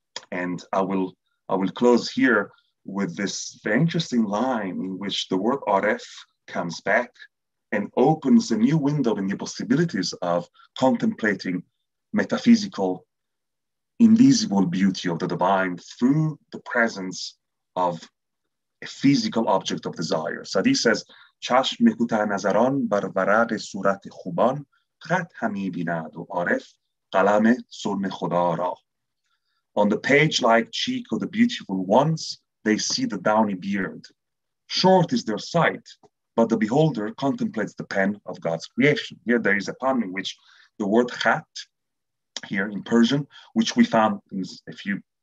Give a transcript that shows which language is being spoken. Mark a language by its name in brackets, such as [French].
[English] And I will close here with this interesting line in which the word aref comes back and opens a new window in the possibilities of contemplating metaphysical, invisible beauty of the divine through the presence of a physical object of desire. Saʿdi says, [Persian] چشم کوتاه نظران بر ورق صورت خوبان خط همی بیند و عارف قلم سلم خدا را. [English] On the page-like cheek of the beautiful ones, they see the downy beard. Short is their sight, but the beholder contemplates the pen of God's creation. Here there is a pun in which the word khat, here in Persian, which we found in a few